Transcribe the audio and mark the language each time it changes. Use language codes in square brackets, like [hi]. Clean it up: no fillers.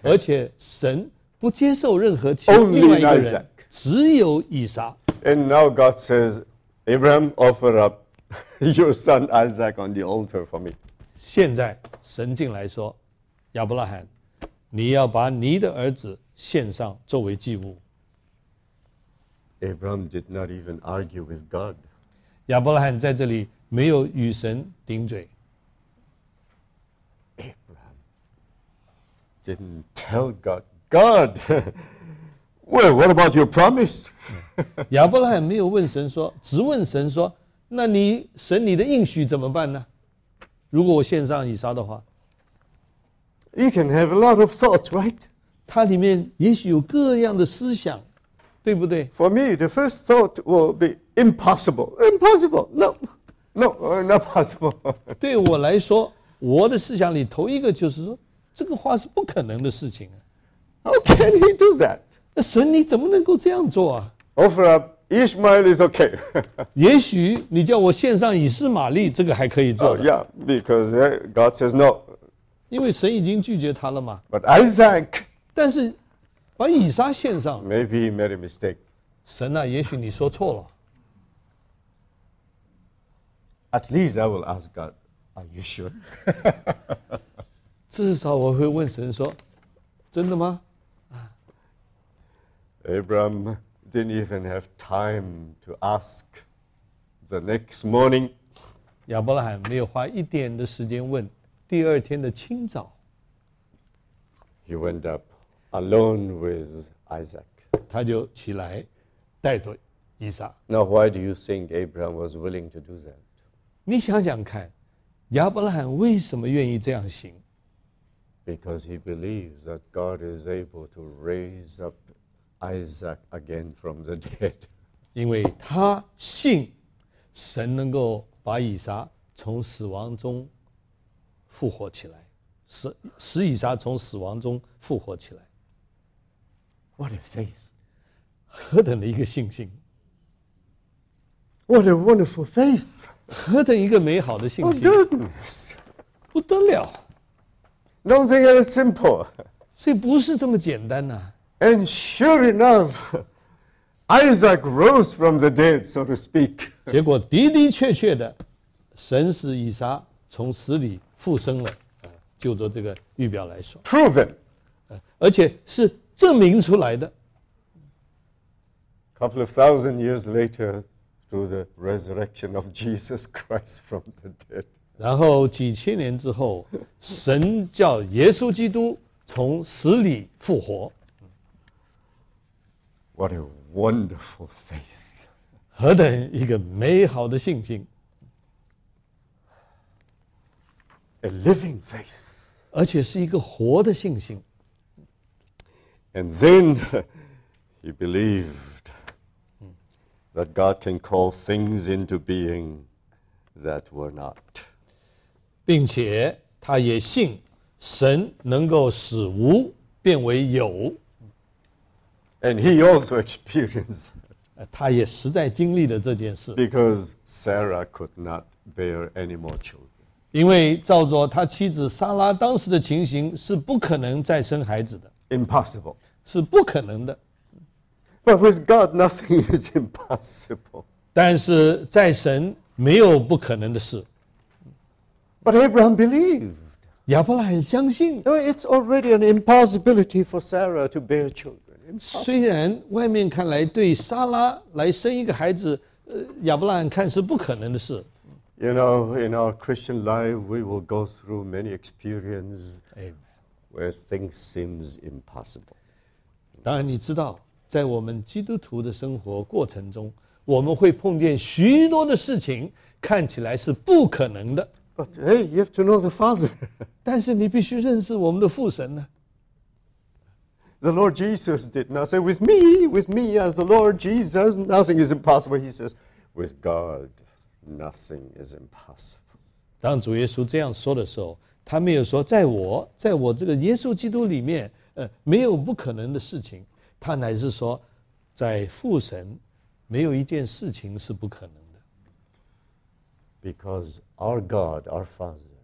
[zh] 而且神不接受任何其另外一个人， [en] Isaac. [zh] 只有以撒。 [en] And now God says, Abraham, offer up your son Isaac on the altar for me. [zh] 现在神进来说，亚伯拉罕，你要把你的儿子献上作为祭物。 [en] Abraham did not even argue with God. [zh] 亚伯拉罕在这里没有与神顶嘴。 [en] Abraham didn't tell God, God, well, what about your promise? [zh] 亚伯拉罕没有问神说，只问神说，那你神你的应许怎么办呢？如果我献上以撒的话。 [en] You can have a lot of thoughts, right? [zh] 他里面也许有各样的思想，对不对？ [en] For me, the first thought will be impossible. Impossible. No, not possible. [zh] 对我来说，我的思想里头一个就是说，这个话是不可能的事情。 [en] How can he do that? [zh] 神，你怎么能够这样做啊？ [en] Offer up Ishmael is okay. [zh] 也许你叫我献上以斯玛利，这个还可以做的。 [en] Yeah, because God says no. [zh] 因为神已经拒绝他了嘛。 [en] But Isaac. [zh] 但是把以撒献上。 [en] Maybe he made a mistake. [zh] 神啊，也许你说错了。 [en] At least I will ask God, are you sure? [zh] 至少我会问神说，真的吗？ [en] Abraham. Didn't even have time to ask the next morning. [zh] 亚伯拉罕没有花一点的时间问，第二天的清早。 [en] He went up alone with Isaac. [zh] 他就起来带着以撒。 [en] Now, why do you think Abraham was willing to do that? [zh] 你想想看，亚伯拉罕为什么愿意这样行？ [en] Because he believes that God is able to raise upIsaac again from the dead. [zh] 因为他信神能够把以撒从死亡中复活起来，使以撒从死亡中复活起来。 [en] What a faith! [zh] 何等的一个信心！ [en] What a wonderful faith! [zh] 何等一个美好的信心！ [en] Oh goodness! [zh] 不得了！ [en] Don't think it's simple. [zh] 所以不是这么简单呐。 [en] And sure enough, Isaac rose from the dead, so to speak. [zh] 结果的的确确的，神使以撒从死里复生了，就着这个预表来说。 [en] Proven. [zh] 而且是证明出来的。 [en] Couple of thousand years later, through the resurrection of Jesus Christ from the dead. [zh] 然后几千年之后，神叫耶稣基督从死里复活。 [en] What a wonderful faith! [zh] 何等一个美好的信心 [en] ！A living faith, [zh] 而且是一个活的信心。 [en] And then he believed that God can call things into being that were not. [zh] 并且他也信神能够使无变为有。 [en] And he also experienced. [zh] 他也实在经历了这件事。 [en] Because Sarah could not bear any more children. [zh] 因为照着他妻子撒拉当时的情形，是不可能再生孩子的。 [en] Impossible. [zh] 是不可能的。 [en] But with God, nothing is impossible. [zh] 但是在神没有不可能的事。 [en] But Abraham believed. [zh] 亚伯拉罕相信。 [en] It's already an impossibility for Sarah to bear children. [zh] 虽然外面看来对撒拉来生一个孩子，亚伯拉罕看是不可能的事。 [en] You know, in our Christian life, we will go through many experiences where things seem impossible. [zh] 当然，你知道，在我们基督徒的生活过程中，我们会碰见许多的事情看起来是不可能的。 [en] But hey, you have to know the Father. [zh] 但是你必须认识我们的父神呢。 [en] The Lord Jesus did not say, with me as the Lord Jesus, nothing is impossible. He says, with God, nothing is impossible. [zh] 当主耶稣这样说的时候，他没有说在我这个耶稣基督里面，没有不可能的事情。他乃是说，在父神，没有一件事情是不可能的。 [en] Because our God, our Father.